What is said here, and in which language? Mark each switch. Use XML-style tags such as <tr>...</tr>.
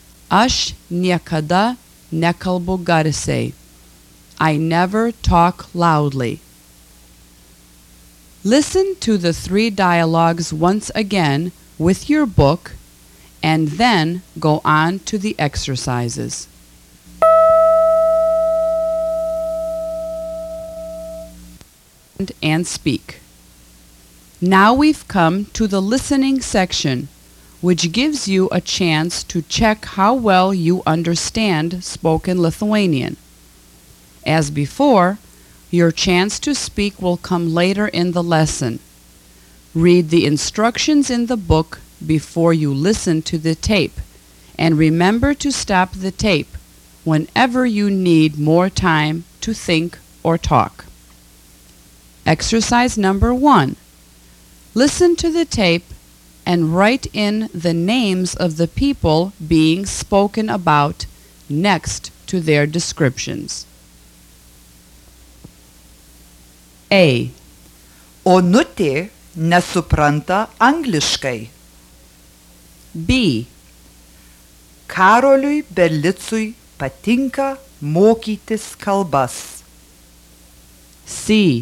<lt>Aš niekada nekalbu garsiai.</lt> <en>I never talk loudly. Listen to the three dialogues once again with your book and then go on to the exercises. And speak. Now we've come to the listening section, which gives you a chance to check how well you understand spoken Lithuanian. As before, your chance to speak will come later in the lesson. Read the instructions in the book before you listen to the tape, and remember to stop the tape whenever you need more time to think or talk. Exercise number one. Listen to the tape and write in the names of the people being spoken about next to their descriptions. A.</en> <lt>Onutė nesupranta angliškai.</lt> <en>B.</en> <lt>Karoliui Belicui patinka mokytis kalbas.</lt> <en>C.</en>